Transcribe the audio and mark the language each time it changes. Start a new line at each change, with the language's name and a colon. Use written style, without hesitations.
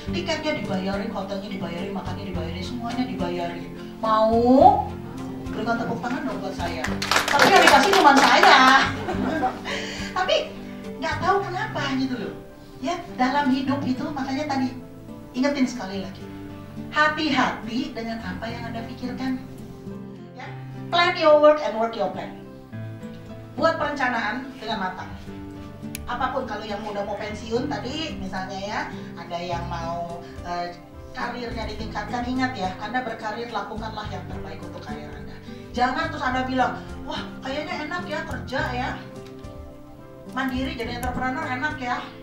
Indonesian: Tiketnya dibayarin, hotelnya dibayarin, makannya dibayarin, semuanya dibayarin. Mau? Berikan tepuk tangan dong buat saya. Tapi yang dikasih cuma saya. Tapi gak tahu kenapa gitu loh. Ya, dalam hidup itu, makanya tadi ingetin sekali lagi, hati-hati dengan apa yang Anda pikirkan.
English: Ya, plan your work and work your plan.
Indonesian: Buat perencanaan dengan matang. Apapun, kalau yang udah mau pensiun tadi, misalnya ya, ada yang mau karirnya ditingkatkan, ingat ya, Anda berkarir, lakukanlah yang terbaik untuk karir Anda. Jangan terus Anda bilang, wah kayaknya enak ya kerja ya, mandiri jadi entrepreneur enak ya.